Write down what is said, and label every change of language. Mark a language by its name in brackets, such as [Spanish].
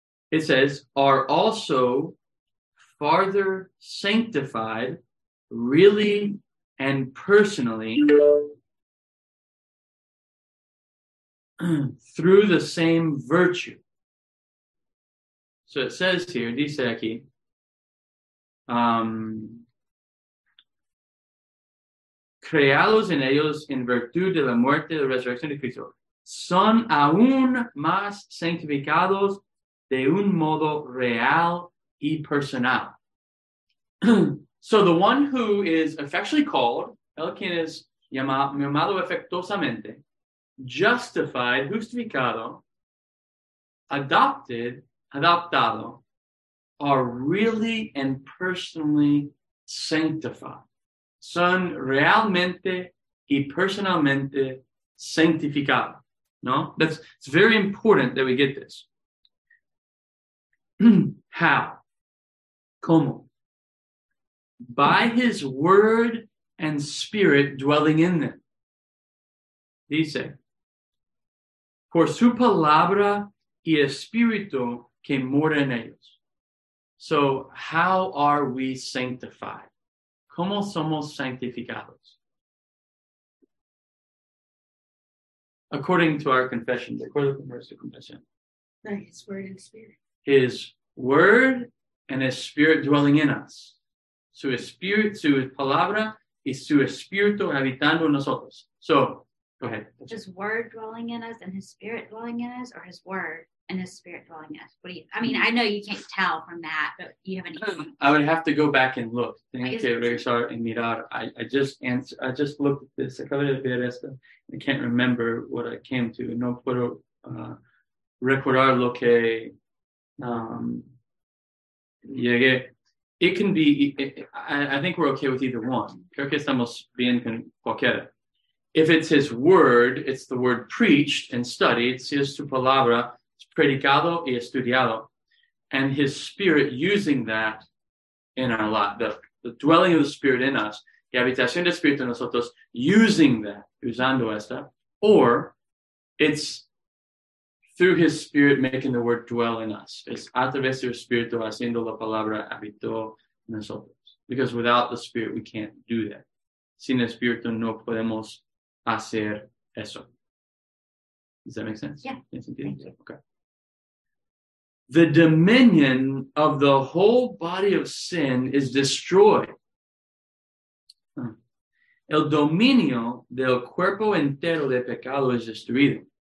[English] It says, are also farther sanctified, really and personally, through the same virtue. So it says here, [Spanish] dice aquí, creados en ellos en virtud de la muerte de la resurrección de Cristo, son aún más sanctificados de un modo real y personal. [English] So the one who is effectually called, [Spanish] el quien es llamado efectuosamente, [English] justified, justificado, adopted, adoptado, are really and personally sanctified. [Spanish] Son realmente y personalmente santificado. No? [English] It's very important that we get this. How? [Spanish] ¿Cómo? [English] By his word and spirit dwelling in them. [Spanish] Dice, por su palabra y espíritu que mora en ellos. [English] So, how are we sanctified? [Spanish] ¿Cómo somos santificados? [English] According to our confession, [Spanish] de acuerdo con nuestra confesión. [English] By his word and spirit. His word and his spirit dwelling in us. [Spanish] Su espíritu, su palabra y su espíritu habitando en nosotros. [English] So, go ahead. His word dwelling in us and his spirit dwelling in us, or his word and his spirit dwelling in us? What do you, I mean, I know you can't tell from that, but you have any clue? I would have to go back and look. [Spanish] Tengo que regresar y mirar. [English] I just looked at this. [Spanish] Acabo de ver esto. [English] I can't remember what I came to. [Spanish] No puedo recordar lo que llegué. [English] It can be, I think we're okay with either one. [Spanish] Creo que estamos bien con cualquiera. [English] If it's his word, it's the word preached and studied. [Spanish] Si es su palabra, es predicado y estudiado. [English] And his spirit using that in our life. The dwelling of the spirit in us. [Spanish] Y habitación del espíritu en nosotros [English] using that, [Spanish] usando esta. [English] Or it's through his spirit making the word dwell in us. [Spanish] Es a través de su espíritu haciendo la palabra habitó en nosotros. [English] Because without the spirit, we can't do that. [Spanish] Sin espíritu no podemos hacer eso. [English] Does that make sense? Yeah. Yes, indeed. Okay. The dominion of the whole body of sin is destroyed. [Spanish] El dominio del cuerpo entero de pecado es destruido.